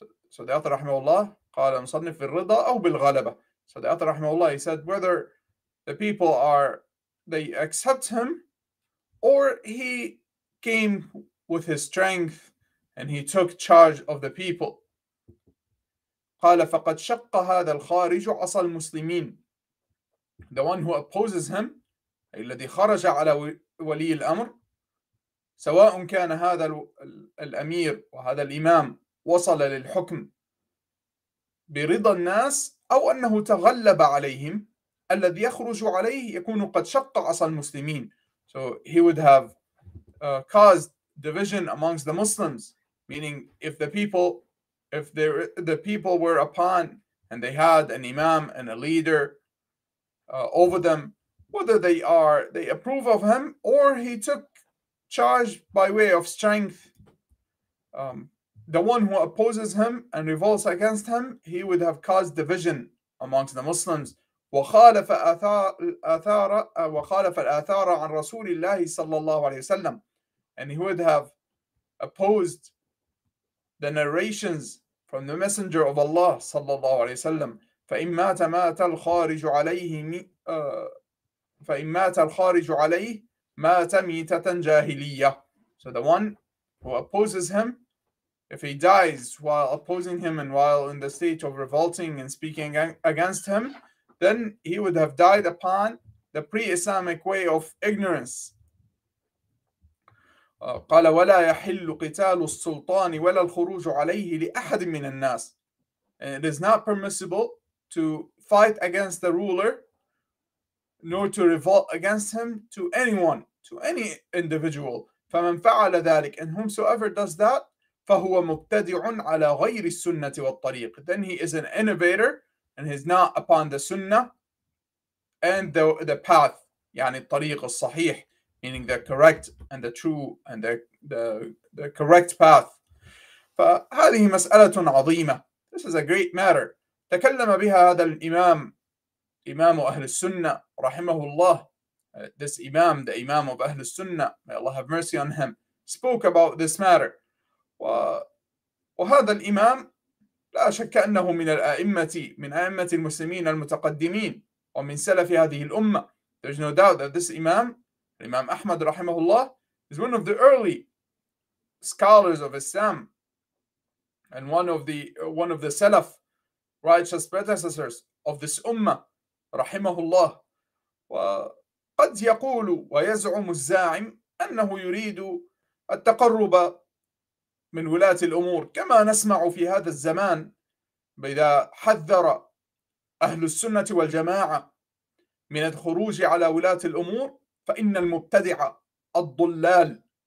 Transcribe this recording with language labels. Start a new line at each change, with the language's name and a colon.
English: So the author
Arabic: رحمه الله قال مصنف بالرضا أو بالغلبة.
English: So the author
Arabic: رحمه الله,
English: he said whether the people they accept him or he came with his strength and he took charge of the people.
Arabic: قال فقد شق هذا الخارج عصا المسلمين.
English: The one who opposes him,
Arabic: الذي خرج على ولي الأمر, سواء كان هذا الأمير وهذا الإمام وصل للحكم برضا الناس أو أنه تغلب عليهم, الذي يخرج عليه يكون قد شق عصا المسلمين.
English: So he would have caused division amongst the Muslims. Meaning, if the people were upon and they had an imam and a leader over them, whether they approve of him or he took charge by way of strength, the one who opposes him and revolts against him, he would have caused division amongst the Muslims.
Arabic: وخالف آثار وخالف الآثار عن رسول الله صلى الله عليه وسلم,
English: and he would have opposed the narrations from the Messenger of Allah صلى الله عليه وسلم.
Arabic: فإن مات مات الخارج عليه فإن مات الخارج عليه مات ميتة جاهلية.
English: So the one who opposes him, if he dies while opposing him and while in the state of revolting and speaking against him, then he would have died upon the pre-Islamic way of ignorance.
Arabic: قال ولا يحل قتال السلطان ولا الخروج عليه لأحد من الناس.
English: And it is not permissible to fight against the ruler nor to revolt against him to anyone. to any individual.
Arabic: فمن فعل ذلك,
English: and whomsoever does that,
Arabic: فهو مبتدع على غير السنة والطريق.
English: Then he is an innovator and he's not upon the sunnah and the path,
Arabic: يعني الطريق الصحيح,
English: meaning the correct and the true and the correct path.
Arabic: فهذه مسألة عظيمة.
English: This is a great matter.
Arabic: تكلم بها هذا الإمام, إمام أهل السنة رحمه الله.
English: This Imam, the Imam of أهل السنة, may Allah have mercy on him, spoke about this matter.
Arabic: وهذا الإمام لا شك أنه من الأئمة, من أئمة المسلمين المتقدمين ومن سلف هذه الأمة.
English: There's no doubt that this Imam, Imam Ahmad
Arabic: رحمه الله,
English: is one of the early scholars of Islam and one of the Salaf, righteous predecessors of this Ummah, رحمه الله.
Arabic: وقد يقول ويزعم الزاعم أنه يريد التقرب من ولاة الأمور, كما نسمع في هذا الزمان إذا حذر أهل السنة والجماعة من الخروج على ولاة الأمور, فإن المبتدع الضلال